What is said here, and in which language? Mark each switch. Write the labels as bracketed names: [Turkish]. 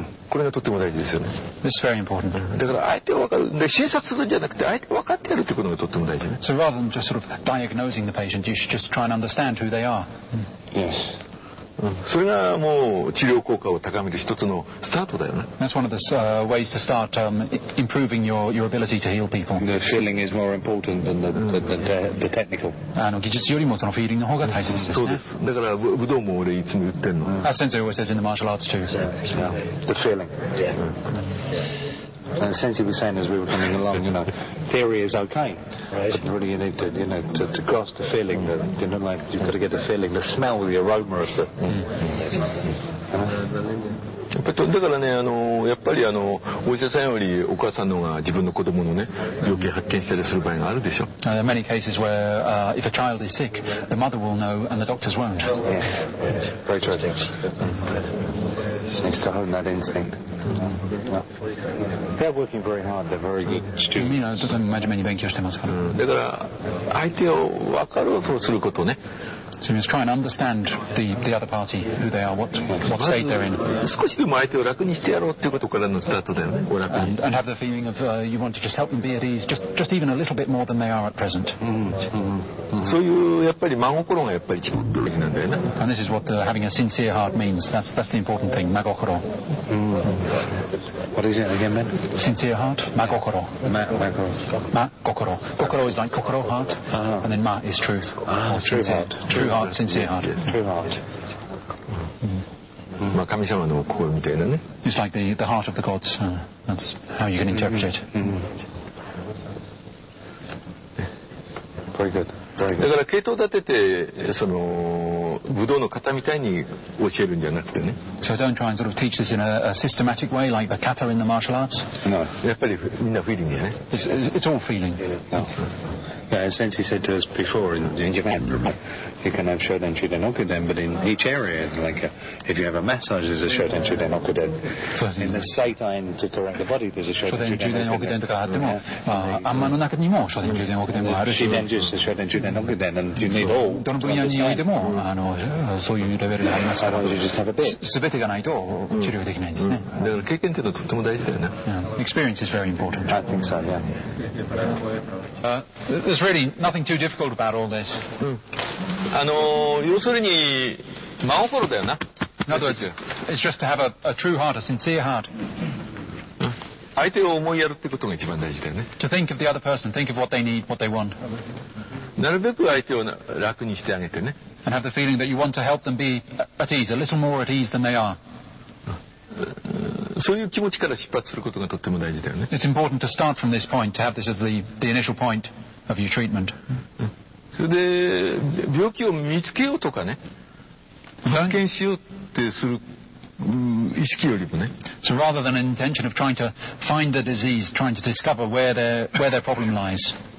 [Japanese] これがとっても大事ですよね。 [English] This is very important. [Japanese] だから相手を分かる、で診察するんじゃなくて相手を分かってやるってことがとっても大事ね。 [English] So rather than just sort of diagnosing the patient, you should just try and understand who they are. Yes. [Japanese] それがもう治療効果を高める一つのスタートだよね。 [English] That's one of the ways to start improving your ability to heal people. The feeling is more important than the technical. [Japanese] あの技術よりもそのフィーリングの方が大切ですね。そうです。だから武道も俺いつも言ってんの。 [English] As Sensei always says in the martial arts too. Yeah. The feeling. And Sensei was saying as we were coming along, you know, theory is okay. Right. But really you need to, you know, to cross the feeling that, you know, like you've got to get the feeling, the smell, the aroma of the... [Japanese] だからね、やっぱりお医者さんよりお母さんの方が自分の子供のね病気を発見したりする場合があるでしょ。 [English] There are many cases where if a child is sick, the mother will know and the doctors won't. Yes, very true. Just needs to hone that instinct. They're working very hard. They're very good students. You mean, I'm imagining [Japanese] 勉強してますから。だから相手を分かろうとすることね。 [English] So you must try and understand the other party, who they are, what state they're in. [Japanese] 少しでも相手を楽にしてやろうっていうことからのスタートだよね。お楽に。 [English] And have the feeling of you want to just help them be at ease, just even a little bit more than they are at present. [Japanese] そういうやっぱり真心がやっぱり一番大事なんだよね。 [English] And this is what having a sincere heart means. That's the important thing, 真心。 What is it again, man? Sincere heart, 真心。 [Japanese] 真心。 [English] 心 is like 心 heart, and then 真 is truth. True heart. True heart, sincere heart. True heart. Well, it's like the heart of the gods. That's how you can interpret it. Very good. Very good. [Japanese] だから系統立ててその武道の型みたいに教えるんじゃなくてね。 [English] So don't try and sort of teach this in a systematic way like the kata in the martial arts. No. [Japanese] やっぱりみんなフィーリングやね。 [English] It's all feeling. Yeah. Yeah, as Sensei said to us before in Japan, you can have Shoden, Shiden, Okuden, but in each area, like if you have a massage, there's a Shoden, Shiden, Okuden. So in the Seitan to correct the body, there's a Shoden, [Japanese] Shiden, Okuden. とかあっても、あんまの中にも Shoden, Shiden, Okuden もあるし。 [English] Shiden just the Shoden, Shiden, Okuden, and you need all. [Japanese] どの分野においても、そういうレベルでありますから。 [English] You just have a bit. [Japanese] 全てがないと治療できないんですね。だから経験というのはとっても大事だよね。 [English] Experience is very important. I think so, yeah. There's really nothing too difficult about all this. [Japanese] 要するに真心だよな。 [English] In other words, it's just to have a true heart, a sincere heart. [Japanese] 相手を思いやるってことが一番大事だよね。 [English] To think of the other person, think of what they need, what they want. [Japanese] なるべく相手を楽にしてあげてね。 [English] And have the feeling that you want to help them be at ease, a little more at ease than they are. [Japanese] そういう気持ちから出発することがとっても大事だよね。 [English] It's important to start from this point, to have this as the initial point of your treatment. [Japanese] それで病気を見つけようとかね、発見しようってする意識よりもね。 [English] So rather than an intention of trying to find the disease, trying to discover where their problem lies.